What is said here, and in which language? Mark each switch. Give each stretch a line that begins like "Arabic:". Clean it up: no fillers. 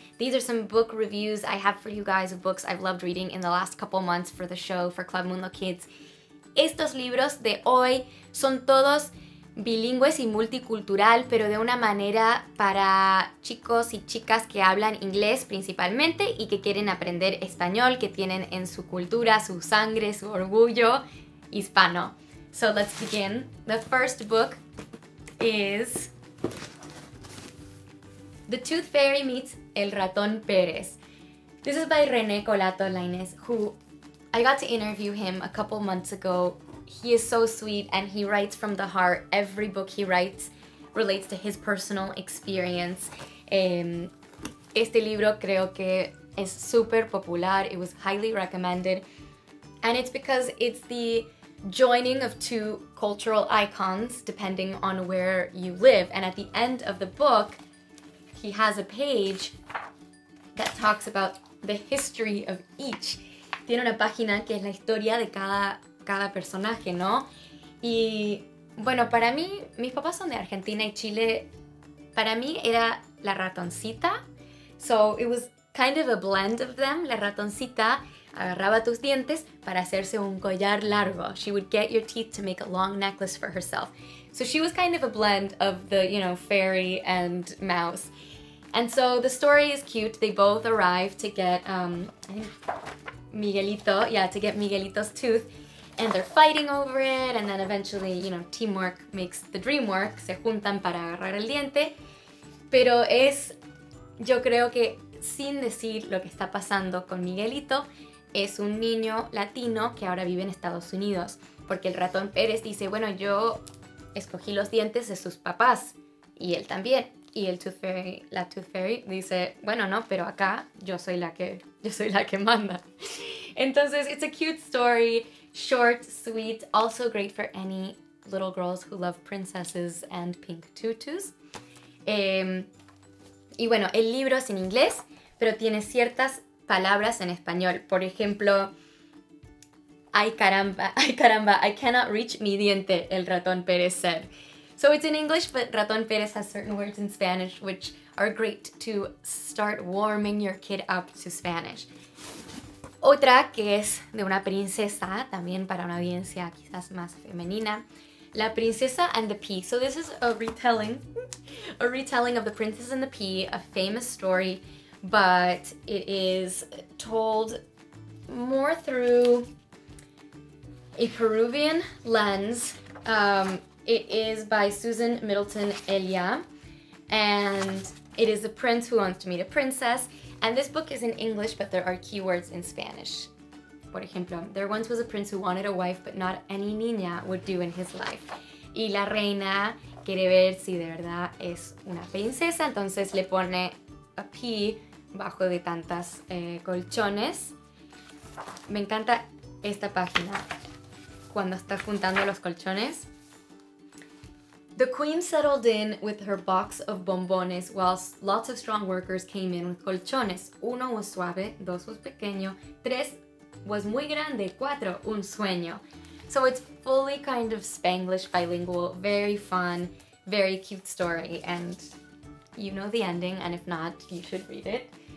English: These are some book reviews I have for you guys of books I've loved reading in the last couple months for the show for Club Mundo Kids.
Spanish: Estos libros de hoy son todos bilingües y multicultural, pero de una manera para chicos y chicas que hablan inglés principalmente y que quieren aprender español, que tienen en su cultura, su sangre, su orgullo hispano.
English: So let's begin. The first book is The Tooth Fairy Meets El Ratón Pérez. This is by René Colatolaines, who I got to interview him a couple months ago. He is so sweet and he writes from the heart. Every book he writes relates to his personal experience.
Spanish: Este libro creo que es super popular.
English: It was highly recommended. And it's because it's the joining of two cultural icons depending on where you live. And at the end of the book, he has a page that talks about the history of each.
Spanish: Tiene una página que es la historia de cada personaje, ¿no? Y bueno, para mí, mis papás son de Argentina y Chile, para mí era la ratoncita.
English: So it was kind of a blend of them.
Spanish: La ratoncita agarraba tus dientes para hacerse un collar largo.
English: She would get your teeth to make a long necklace for herself. So she was kind of a blend of the, you know, fairy and mouse. And so the story is cute. They both arrive to get Miguelito's tooth. And they're fighting over it, and then eventually, you know, teamwork makes the dream work.
Spanish: Se juntan para agarrar el diente. Pero es, yo creo que sin decir lo que está pasando con Miguelito, es un niño latino que ahora vive en Estados Unidos. Porque el ratón Pérez dice, bueno, yo escogí los dientes de sus papás. Y él también. Y el Tooth Fairy, la Tooth Fairy dice, bueno, no, pero acá yo soy la que manda. Entonces,
English: it's a cute story. Short, sweet, also great for any little girls who love princesses and pink tutus.
Spanish: Y bueno, el libro es en inglés, pero tiene ciertas palabras en español. Por ejemplo, ay caramba,
English: I cannot reach
Spanish: mi diente, el ratón Pérez
English: said. So it's in English, but ratón Pérez has certain words in Spanish, which are great to start warming your kid up to Spanish.
Spanish: Otra que es de una princesa, también para una audiencia quizás más femenina. La Princesa and the Pea.
English: So this is a retelling of The Princess and the Pea, a famous story, but it is told more through a Peruvian lens. It is by Susan Middleton Elia, and it is a prince who wants to meet a princess. And this book is in English, but there are keywords in Spanish.
Spanish: Por ejemplo,
English: there once was a prince who wanted a wife, but not any niña would do in his life.
Spanish: Y la reina quiere ver si de verdad es una princesa, entonces le pone a pea bajo de tantas colchones. Me encanta esta página, cuando está juntando los colchones.
English: The queen settled in with her box of bombones whilst lots of strong workers came in with colchones.
Spanish: Uno was suave, dos was pequeño, tres was muy grande, cuatro, un sueño.
English: So it's fully kind of Spanglish bilingual, very fun, very cute story, and you know the ending, and if not, you should read it.